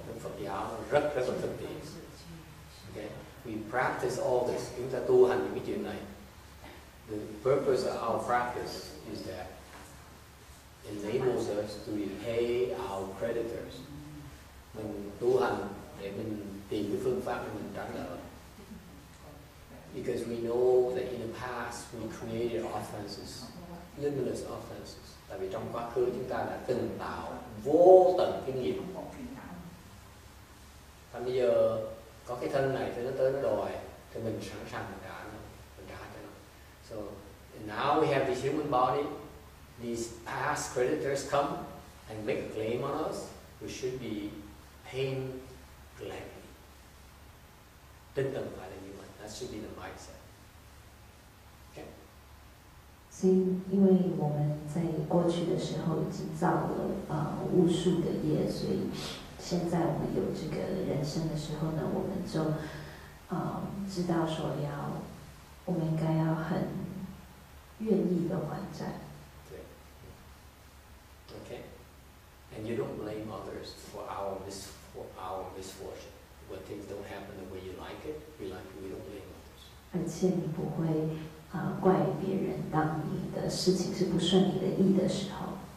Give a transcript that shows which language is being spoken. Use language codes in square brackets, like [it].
[vi] Thực Phật giáo rất rất là thực tế. [en] We practice all this. [vi] Chúng ta tu hành những cái chuyện này. [en] The purpose of our practice is that enables us to repay our creditors. [vi] Mình tu hành để mình tìm cái phương pháp để mình trả nợ. [en] Because we know that in the past we created offenses, limitless offenses. [vi] Tại vì trong quá khứ chúng ta đã từng tạo vô tận cái nghiệp. Và bây giờ có cái thân này thì nó tới nó đòi thì mình sẵn sàng mình trả cho nó. [en] So now we have this human body, these past creditors come and make a claim on us, we should be paying gladly. [vi] Tinh thần phải là như vậy. [en] That should be the mindset. Okay. [zh] 因为我们在过去的时候已经造了无数的业，所以现在我们有这个人生的时候呢，我们就，知道说要，我们应该要很愿意的还债。对。Okay. [en] And you don't blame others for our misfortune. When things don't happen the way you like it, we don't blame others. [zh] 而且你不会怪别人，当你的事情是不顺你的意的时候。